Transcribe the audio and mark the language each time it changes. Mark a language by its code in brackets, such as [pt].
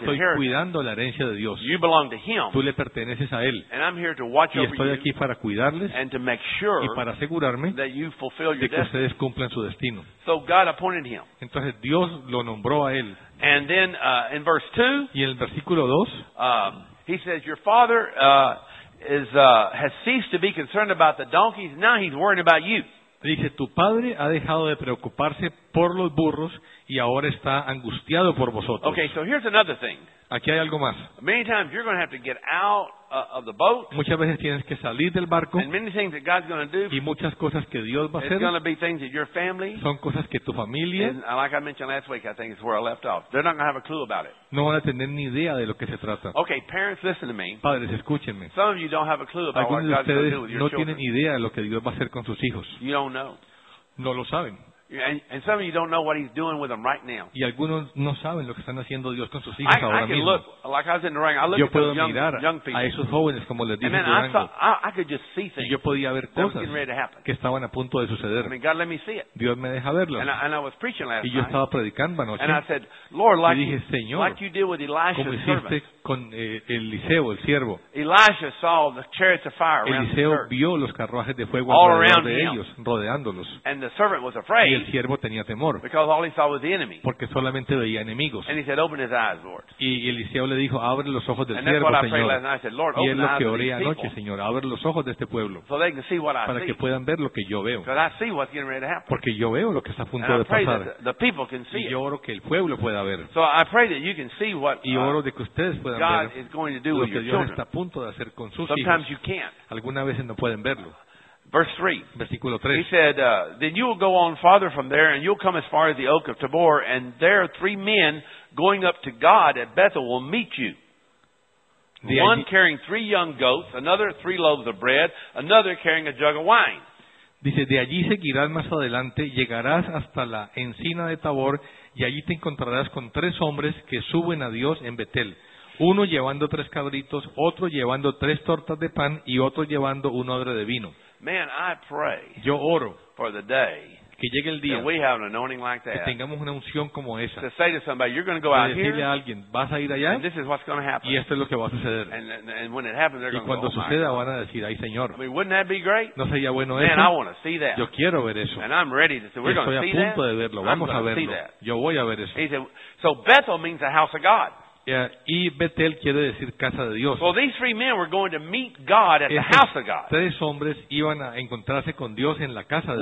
[es] estoy [en] inheritance. [es] Cuidando la herencia de Dios. [en] You belong to Him. [es] Tú le perteneces a Él. [en] And I'm here to watch [es] y estoy [en] over [es] aquí [en] you [es] para cuidarles [en] and to make sure [es] y para asegurarme [en] that you fulfill your [es] de que [en] destiny. [es] Ustedes cumplan su destino. [en] So God appointed him. [es] Entonces Dios lo nombró a Él. [en] And then, in verse 2, [es] y en el versículo 2, [en] He says, your father has ceased to be concerned about the donkeys. Now he's worrying about you. [es] Dice, tu padre ha dejado de preocuparse por los burros y ahora está angustiado por vosotros. [en] Okay, so here's another thing. [es] Aquí hay algo más. [en] Many times you're going to have to get out of the boat. [es] Muchas veces tienes que salir del barco. [en] And many things that God's going to do. [es] Y muchas cosas que Dios va a hacer. [en] It's going to be things that your family. [es] Son cosas que tu familia. [en] And like I mentioned last week, I think it's where I left off. They're not going to have a clue about it. [es] No van a tener ni idea de lo que se trata. [en] Okay, parents, listen to me. [es] Padres, escúchenme. [en] Some of you don't have a clue about [es] algunos [en] what God's going to do with your [es] no [en] children. [es] No tienen idea de lo que Dios va a hacer con sus hijos. [en] You don't know. [es] No lo saben. [en] And some of you don't know what he's doing with them right now. [es] Y algunos no saben lo que están haciendo Dios con sus hijos ahora mismo. [en] I can look, like I was in Durango, I look [es] yo [en] at those young people. [es] A esos jóvenes, como les dije, [en] and then I could just see things. [es] Y yo podía ver cosas [en] getting ready to happen. [es] Que estaban a punto de suceder. [en] I mean, God let me see it. [es] Dios me deja verlos. [en] And I was preaching last [es] y yo estaba predicando anoche. [en] And I said, Lord, like, [es] y dije, Señor, [en] like you did with Elisha's [es] como hiciste [en] servant. [es] Con Eliseo, el siervo. [en] Elisha saw the chariots of fire around [es] Eliseo [en] the [es] vio los carruajes de fuego [en] all [es] alrededor de [en] him. [es] Ellos, rodeándolos. [en] And the servant was afraid. [es] Y el siervo tenía temor [en] because all he saw was the enemy. [es] Porque solamente veía enemigos. [en] And he said, open his eyes, Lord. [es] Y Eliseo le dijo, abre los ojos del [en] and [es] siervo, [en] that's what [es] Señor. [en] I prayed last night. I said, Lord, [es] y es lo que oré anoche, [en] people, [es] Señor, abre los ojos de este pueblo [en] so they can see what [es] para [en] I [es] que [en] see. [es] Puedan ver lo que yo veo. [en] I see what's getting ready to happen. [es] Porque yo veo lo que está a punto [en] and [es] de pasar. [en] The people can see [es] y yo oro que el pueblo pueda ver. [en] So I pray that you can see what, [es] y oro de que ustedes puedan [en] God [es] ver [en] is going to do with [es] lo que [en] your [es] Dios [en] children. [es] Está a punto de hacer con sus [en] sometimes [es] hijos. [en] You can't. [es] Algunas veces no pueden verlo. [en] Verse 3. [es] Versículo 3. [en] He said, then you will go on farther from there, and you'll come as far as the oak of Tabor, and there are three men going up to God at Bethel will meet you. The one carrying three young goats, another three loaves of bread, another carrying a jug of wine. [es] Dice, de allí seguirás más adelante, llegarás hasta la encina de Tabor, y allí te encontrarás con tres hombres que suben a Dios en Betel. Uno llevando tres cabritos, otro llevando tres tortas de pan, y otro llevando un odre de vino. [en] Man, I pray [es] yo oro [en] for the day [es] que llegue el día [en] that we have an anointing like that [es] que tengamos una unción como esa [en] to say to somebody, you're going to go [es] de [en] out [es] decirle [en] here, [es] a alguien, vas a ir allá [en] and this is what's going to happen. [es] Y esto es lo que va a suceder. [en] And when it happens, they're [es] y cuando [en] going to go, [es] suceda [en] oh [es] van a decir, ay Señor, [en] I mean, wouldn't that be great? [es] ¿No sería bueno [en] man, [es] eso? [en] I want to see that. [es] Yo quiero ver eso. [en] And I'm ready to say, we're [es] estoy [en] going to [es] a punto [en] that [es] de verlo, vamos [en] I'm [es] a verlo. Yo voy a ver eso. [en] He said, so Bethel means the house of God. [es] Yeah, y Betel quiere decir casa de Dios. [en] Well, these three men were going to meet God at the house of God. [es] Tres hombres iban a encontrarse con Dios en la casa de